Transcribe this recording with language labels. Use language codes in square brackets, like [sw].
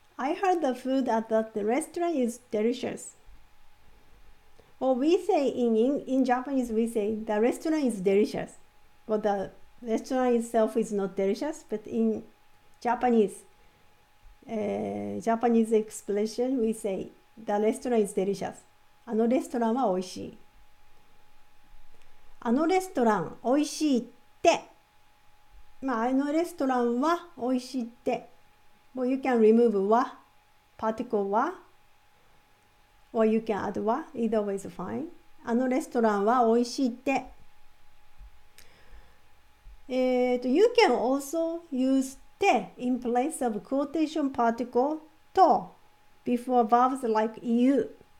[en] I heard the food at that restaurant is delicious. Well, we say in Japanese, we say the restaurant is delicious. But the restaurant itself is not delicious, but in Japanese expression, we say, the restaurant is delicious. [ja] あのレストランは美味しい。あのレストラン美味しいって。まあ、あのレストランは美味しいって。 [en] Well, you can remove は、particle は、or you can add は、either way is fine. [ja] あのレストランは美味しいって。 [en] You can also use て in place of quotation particle と before verbs like you.